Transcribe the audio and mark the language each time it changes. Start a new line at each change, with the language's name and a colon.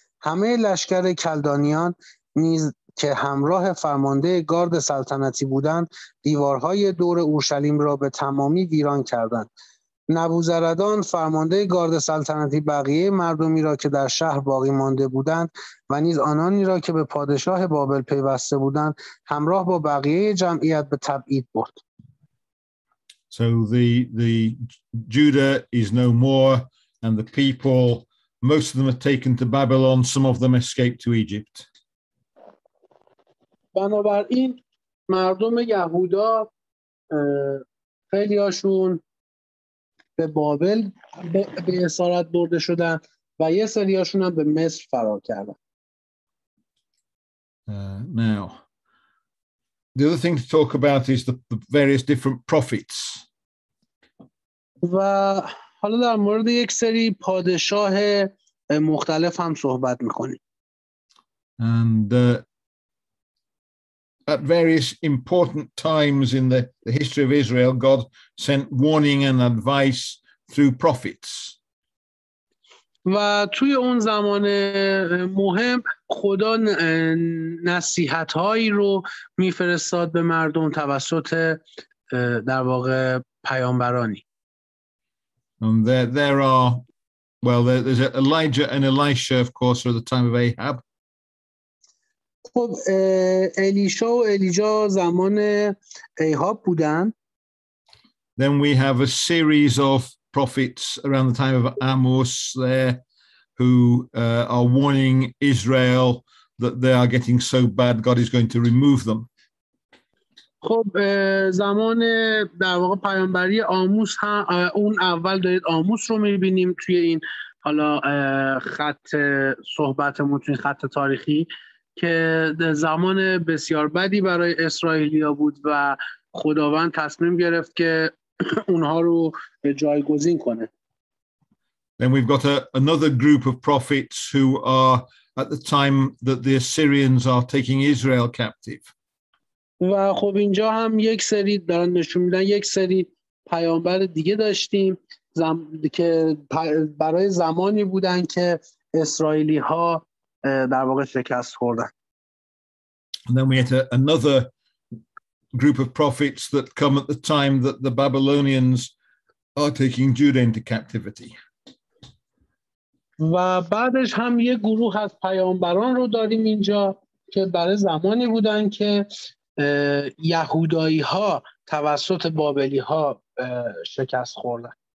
Persian: همه لشکر کلدانیان نیز که همراه فرمانده گارد سلطنتی بودند، دیوارهای دور اورشلیم را به تمامی ویران کردند. نبوزردان فرمانده گارد سلطنتی بقیه مردمی را که در شهر باقی مانده بودند و نیز آنانی را که به پادشاه بابل پیوسته بودند، همراه با بقیه جمعیت به تبعید برد.
English: So the Judah is no more, and the people, most of them are taken to Babylon, some of them escape to Egypt.
Persian: بنابراین مردم یهودا خیلی هاشون به بابل به اسارت برده شدن و یه سری هاشون هم به مصر فرار کردن.
English: Now, the other thing to talk about is the various different prophets.
Persian: و حالا در مورد یک سری پادشاه مختلف هم صحبت میکنیم.
English: And at various important times in the history of Israel, God sent warning and advice through prophets.
Persian: و توی اون زمان مهم خدا نصیحت‌هایی رو می‌فرستاد به مردم توسط در واقع پیامبرانی.
English: And there are, well, there's Elijah and Elisha, of course, are the time of Ahab.
Persian: خب الیشا و الیجا زمان ایهاب بودن.
English: Then we have a series of prophets around the time of Amos there who are warning Israel that they are getting so bad God is going to remove them.
Persian: خب زمان در واقع پیامبری آموس هم اون اول دارید آموس رو میبینیم توی این حالا خط صحبتمون توی خط تاریخی که زمان بسیار بدی برای اسرائیلیا بود و خداوند تصمیم گرفت که اونها رو جایگزین کنه.
English: Then we've got another group of prophets who are at the time that the Assyrians are taking Israel captive.
Persian: و خب اینجا هم یک سری دارن نشون میدن یک سری پیامبر دیگه داشتیم که برای زمانی بودن که اسرائیلی ها در واقع شکست خوردن.
English: And then we had another group of prophets that come at the time that the Babylonians are taking Judah into captivity.
Persian: و بعدش هم یه گروه از پیامبران رو داریم اینجا که برای زمانی بودن که یهودایی ها توسط بابلی ها شکست خوردن.